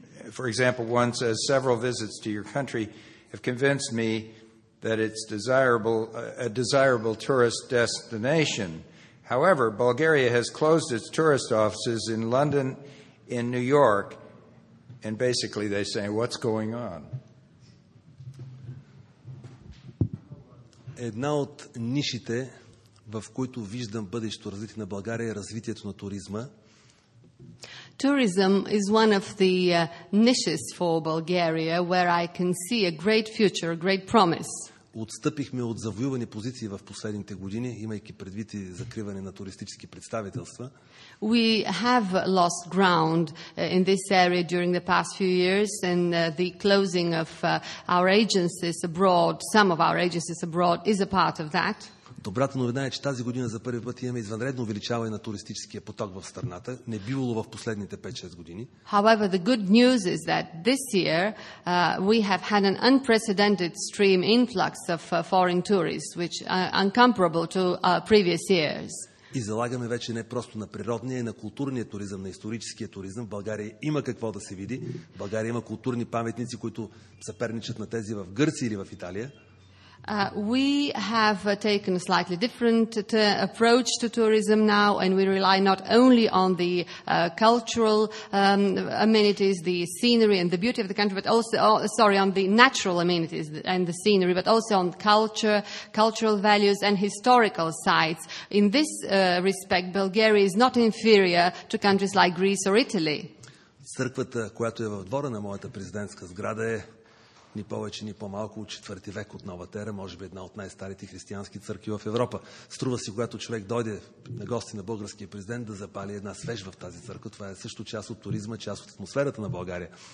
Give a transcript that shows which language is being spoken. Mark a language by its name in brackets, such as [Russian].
[English] For example, one says, several visits to your country have convinced me that it's a desirable tourist destination. However, Bulgaria has closed its tourist offices in London, in New York, and basically they say, what's going on? [Bulgarian] Една от нишите, в които виждам бъдещето развитие на България, е развитието на туризма. [English] Tourism is one of the niches for Bulgaria where I can see a great future, a great promise. [Bulgarian] Отстъпихме от завоювани позиции в последните години, имайки предвид и закриване на туристически представителства. [English] We have lost ground in this area during the past few years and the closing of our agencies abroad, some of our agencies abroad is a part of that. [Bulgarian] Добрата новина е, че тази година за първи път имаме извънредно увеличаване на туристическия поток в страната, не бивало в последните 5-6 години. [English] However, the good news is that this year we have had an unprecedented stream influx of foreign tourists, which are uncomparable to previous years. [Bulgarian] И залагаме вече не просто на природния, а на културния туризъм, на историческия туризъм. В България има какво да се види. В България има културни паметници, които съперничат на тези в Гърция или в Италия. [English] We have taken a slightly different approach to tourism now, and we rely not only on the cultural amenities, the scenery and the beauty of the country, but also, on the natural amenities and the scenery, but also on culture, cultural values and historical sites. In this respect, Bulgaria is not inferior to countries like Greece or Italy. [Bulgarian] Църквата, която е в двора на моята президентска сграда, е ни повече, ни по-малко от четвърти век от новата ера, може би една от най-старите християнски църкви в Европа. Струва си, когато човек дойде на гости на българския президент, да запали една свеж в тази църква. Това е също част от туризма, част от атмосферата на България.